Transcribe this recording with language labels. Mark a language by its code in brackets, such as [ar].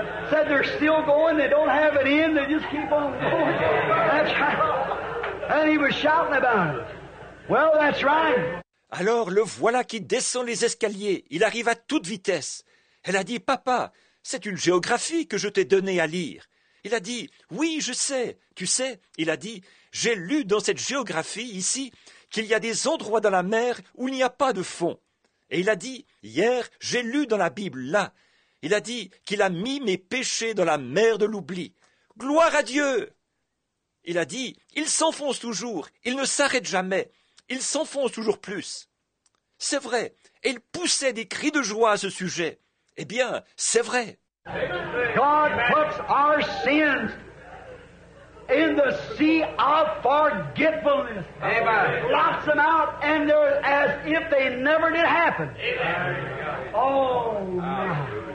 [en] Said they're still going. They don't have an end. They just keep on going. That's right. And he was shouting about it. Well, that's right. [fr] Alors, le voilà qui descend les escaliers. Il arrive à toute vitesse. Elle a dit, papa, c'est une géographie que je t'ai donnée à lire. Il a dit, « Oui, je sais. Tu sais, il a dit, j'ai lu dans cette géographie ici qu'il y a des endroits dans la mer où il n'y a pas de fond. » Et il a dit, « Hier, j'ai lu dans la Bible, là. » Il a dit qu'il a mis mes péchés dans la mer de l'oubli. « Gloire à Dieu !» Il a dit, « Il s'enfonce toujours. Il ne s'arrête jamais. Il s'enfonce toujours plus. » C'est vrai. Et il poussait des cris de joie à ce sujet. Eh bien, c'est vrai. [en] God puts our sins in the sea of forgetfulness. Amen. Blots them out, and they're as if they never did happen. Amen. Oh, my.